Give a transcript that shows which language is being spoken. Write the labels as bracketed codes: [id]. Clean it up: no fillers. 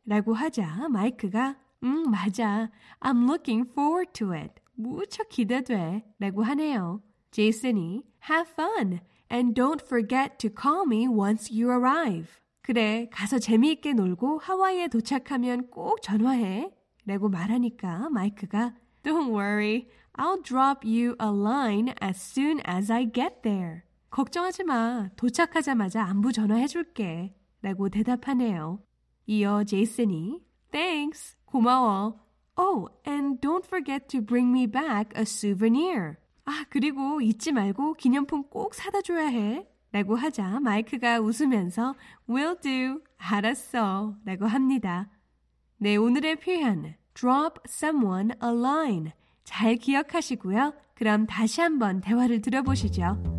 [ko] 라고 하자 마이크가 맞아. [en] I'm looking forward to it. [ko] 무척 기대돼. 라고 하네요. 제이슨이 [en] Have fun and don't forget to call me once you arrive. [ko] 그래, 가서 재미있게 놀고 하와이에 도착하면 꼭 전화해. 라고 말하니까 마이크가 [en] Don't worry, I'll drop you a line as soon as I get there. [ko] 걱정하지 마, 도착하자마자 안부 전화해줄게. 라고 대답하네요. 이어 제이슨이 [en] Thanks, [ko] 고마워. [en] Oh, and don't forget to bring me back a souvenir. [ko] 아, 그리고 잊지 말고 기념품 꼭 사다 줘야 해. 라고 하자 마이크가 웃으면서 [en] Will do, [ko] 알았어 라고 합니다. 네, 오늘의 표현 Drop someone a line 잘 기억하시고요. 그럼 다시 한번 대화를 들어보시죠.